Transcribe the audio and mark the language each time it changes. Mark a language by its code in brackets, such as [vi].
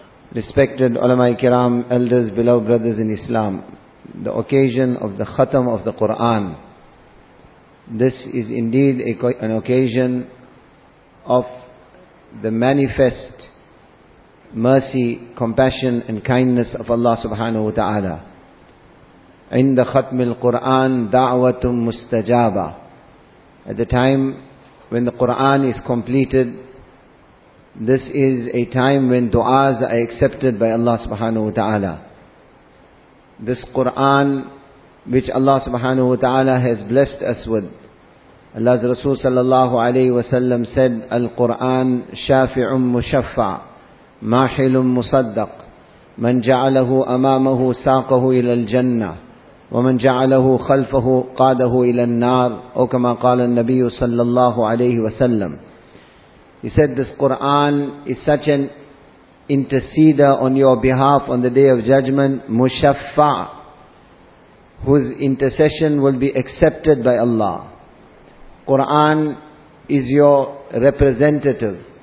[en] Respected [ar] علماء الكرام, [en] elders, beloved brothers in Islam, the occasion of the khatam of the Quran, this is indeed an occasion of the manifest mercy, compassion and kindness of Allah subhanahu wa ta'ala. [ar] عند ختم القرآن دعوة مستجابة. [en] At the time when the Quran is completed, this is a time when du'as are accepted by Allah subhanahu wa ta'ala. This Quran which Allah subhanahu wa ta'ala has blessed us with, Allah's Rasul sallallahu alayhi wa sallam said, [ar] Al-Quran shafi'un mushaffa' ماحل مصدق من جعله أمامه ساقه إلى الجنة ومن جعله خلفه قاده إلى النار أو كما قال النبي صلى الله عليه وسلم. [en] He said, this Quran is such an interceder on your behalf on the day of judgment, مُشَفَّع, whose intercession will be accepted by Allah. Quran is your representative.